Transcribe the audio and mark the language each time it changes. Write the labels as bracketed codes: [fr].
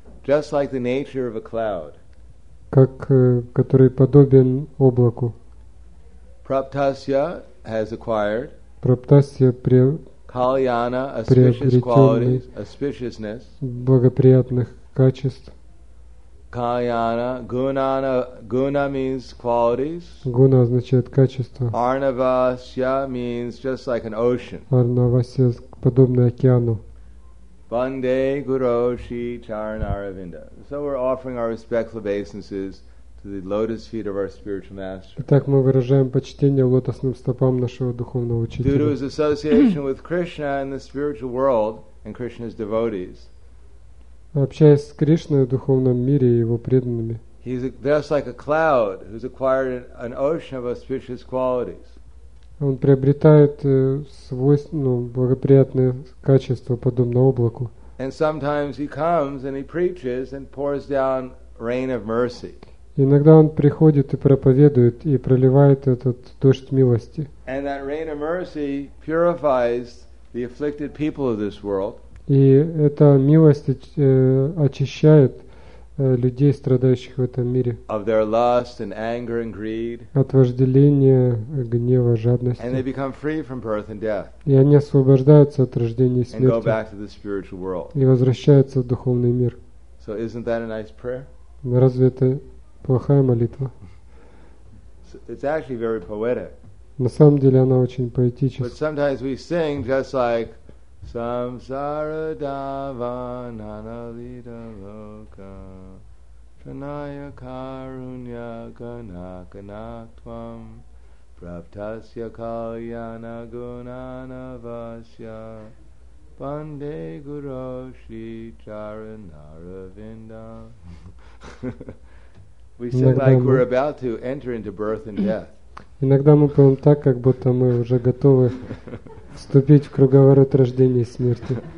[en] Just like the nature of a cloud. [ru] Как который подобен облаку. [en] Праптасья has acquired. [sa] Праптасья [en] Кальяна, auspicious qualities, auspiciousness. [ru] Благоприятных качеств. [en] Kalyana, gunana, guna means qualities. [ru] Guna означает качество. [en] Arnavasya means just like an ocean. [ru] Arnavasya подобно океану. [sa] Vande Guroshi Charanaravinda. [en] So we're offering our respectful obeisances to the lotus feet of our spiritual master. [ru] Итак, мы выражаем почтение лотосным стопам нашего духовного учителя. [en] Due to his association with Krishna in the spiritual world and Krishna's devotees. [ru] Общаясь с Кришной в духовном мире и его преданными. [en] He's just like a cloud who's acquired an ocean of auspicious qualities. [ru] Он приобретает благоприятные качества, подобно облаку. [en] And sometimes he comes and he preaches and pours down rain of mercy. [ru] Иногда он приходит и проповедует и проливает этот дождь милости. [en] And that rain of mercy purifies the afflicted people of this world. [ru] И эта милость очищает людей, страдающих в этом мире. [en] Of their lust and anger and greed. [ru] От вожделения, гнева, жадности. [en] And they become free from birth and death. [ru] И они освобождаются от рождения и смерти. [en] And go back to the spiritual world. [ru] И возвращаются в духовный мир. [en] So isn't that a nice prayer? [ru] Разве это плохая молитва? [en] So it's actually very poetic. [ru] На самом деле она очень поэтическая. [en] But sometimes we sing just like [sa] Samsara dava nanalida loka Tranaya karunya ganakana tvam Praptasya kalyana gunanavasya Vande Guru Shri Charanaravinda. [en] We sit like we're about to enter into birth and death. [ru] Иногда мы поем так, как будто мы уже готовы вступить в круговорот рождения и смерти.